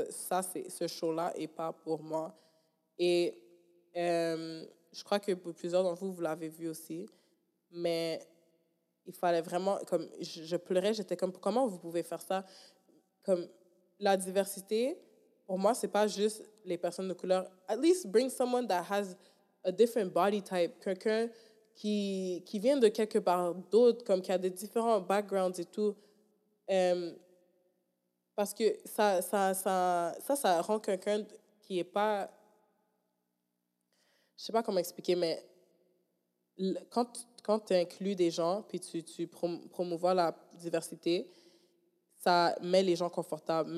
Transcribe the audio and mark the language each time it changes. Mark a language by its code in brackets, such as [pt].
[fr] Ça, c'est ce show-là et pas pour moi. Et je crois que pour plusieurs d'entre vous, vous l'avez vu aussi, mais il fallait vraiment, comme, je pleurais, j'étais comme, comment vous pouvez faire ça? Comme, la diversité, pour moi, c'est pas juste les personnes de couleur. [en] At least bring someone that has a different body type. [fr] Quelqu'un qui vient de quelque part d'autre, comme qui a des différents backgrounds et tout, parce que ça rend quelqu'un qui est pas, je sais pas comment expliquer, mais quand tu inclus des gens puis tu promouvois la diversité, ça met les gens confortables.